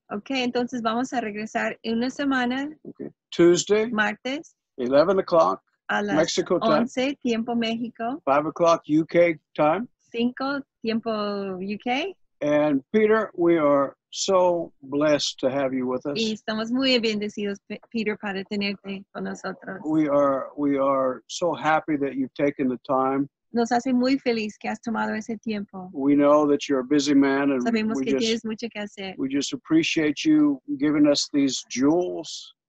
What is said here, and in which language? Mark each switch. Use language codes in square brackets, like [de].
[es] Okay, entonces vamos a regresar una semana. [en] Okay. Tuesday. [es] Martes. [en] 11 o'clock. [es] A las [en] Mexico time. [es] 11, tiempo México. [en] 5 o'clock UK time. [es] 5, tiempo UK. [en] And Peter, we are so blessed to have you with us. [es] Y estamos muy bendecidos, Peter, para tenerte con nosotros. [en] We are so happy that you've taken the time. [es] Nos hace muy feliz que has tomado ese tiempo. [en] We know that you're a busy man, and [es] sabemos que tienes mucho que hacer. [en] We just appreciate you giving us these jewels.